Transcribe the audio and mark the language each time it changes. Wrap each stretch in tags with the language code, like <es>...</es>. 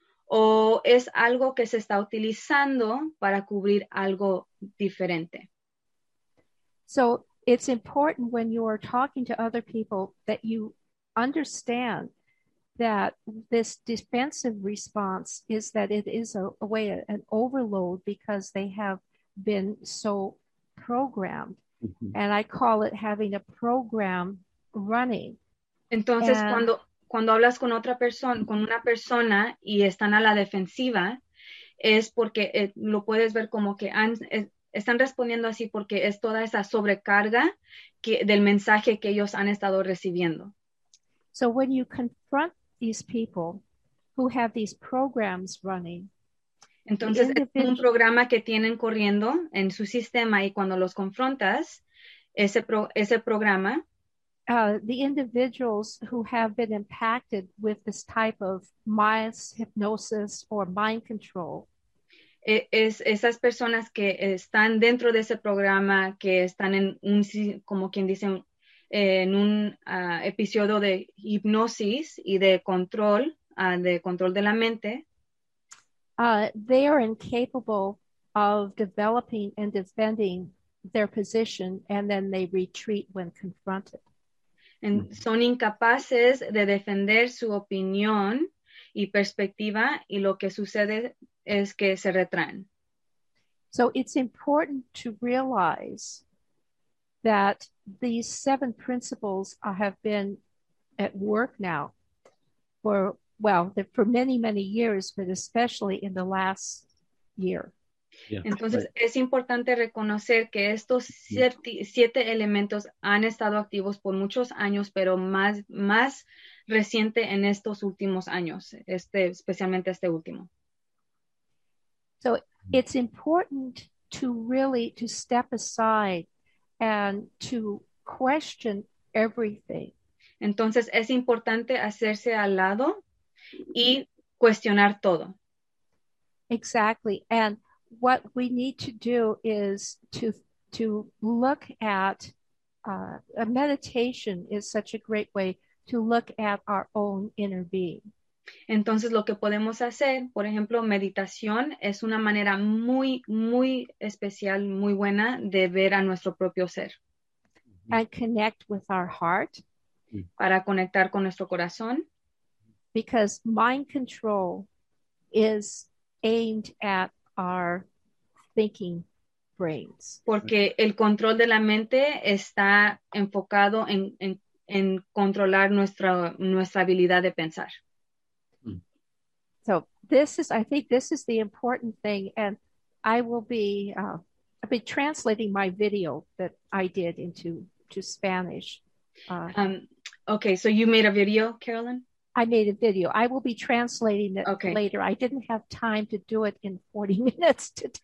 <es>¿O es algo que se está utilizando para cubrir algo diferente?</es> <en>So it's important when you are talking to other people that you understand that this defensive response is that it is a way, an overload, because they have been so programmed. Mm-hmm. And I call it having a program running.</en> <es>Entonces, cuando hablas con otra persona, con una persona y están a la defensiva, es porque lo puedes ver como que están respondiendo así porque es toda esa sobrecarga del mensaje que ellos han estado recibiendo.</es> <en>So when you confront these people who have these programs running,</en> <es>entonces es un programa que tienen corriendo en su sistema, y cuando los confrontas, ese programa,</es> <en>The individuals who have been impacted with this type of mass hypnosis or mind control.</en> <es>Esas personas que están dentro de ese programa, que están en un, como quien dice, en un episodio de hipnosis y de control de la mente.</es> <en>They are incapable of developing and defending their position, and then they retreat when confronted.</en> <es>And son incapaces de defender su opinión y perspectiva, y lo que sucede es que se retraen.</es> <en>So it's important to realize that these seven principles have been at work now for many, many years, but especially in the last year. Yeah, entonces, right.</en> <es>Es importante reconocer que estos siete elementos han estado activos por muchos años, pero más reciente en estos últimos años, especialmente este último.</es> <en>So it's important to step aside and to question everything.</en> <es>Entonces, es importante hacerse al lado y cuestionar todo.</es> <en>Exactly. And what we need to do is to look at a meditation is such a great way to look at our own inner being.</en> <es>Entonces, lo que podemos hacer, por ejemplo, meditación es una manera muy, muy especial, muy buena de ver a nuestro propio ser.</es> <en>And connect with our heart.</en> <es>Para conectar con nuestro corazón.</es> <en>Because mind control is aimed at our thinking brains.</en> <es>Porque el control de la mente está enfocado en controlar nuestra habilidad de pensar.</es> <en>So this is, I think this is the important thing, and I will be translating my video that I did into Spanish. Okay, so you made a video, Carolyn? I made a video. I will be translating it later. I didn't have time to do it in 40 minutes today.</en>